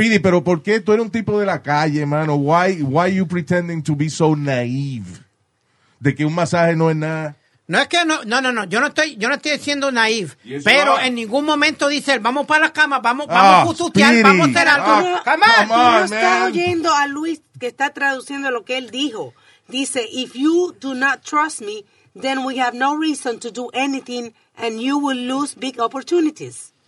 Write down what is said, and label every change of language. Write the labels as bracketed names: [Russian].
[Spanish] Speedy, pero ¿por qué tú eres un tipo de la calle, mano? [English] Why are you pretending to be so naive? [Spanish] De que un masaje no es nada. No es que no. Yo no estoy siendo naive. Yes, pero en ningún momento dice, vamos para la cama, vamos a jututear, vamos a hacer algo. [English] Come on, man. [Spanish] Tú no estás oyendo a Luis que está traduciendo lo que él dijo. Dice, [English] if you do not trust me, then we have no reason to do anything, and you will lose big opportunities.